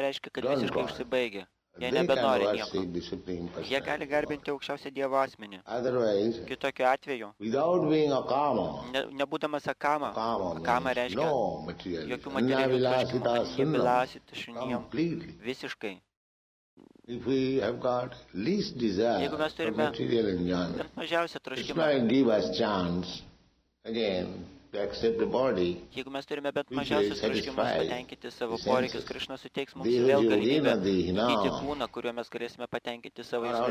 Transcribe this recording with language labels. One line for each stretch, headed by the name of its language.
Lithuanian: reiškia, kad visiškai užsibaigė. Jie nebenori nieko. Jie gali garbinti aukščiausią Dievo asmenį. Kitokiu atveju, nebūdamas akama, akama reiškia jokių materialių troškimų, jie bilasita šunijom visiškai.
English: If we have got least desire for material enjoyment, it's going to give us chance again to accept the body.
Lithuanian: Jeigu mes turime bet mažiausias troškimas patenkinti savo poreikius, Krishna suteiks mums vėl galimybę įgyti kūną, kuriuo mes galėsime patenkinti savo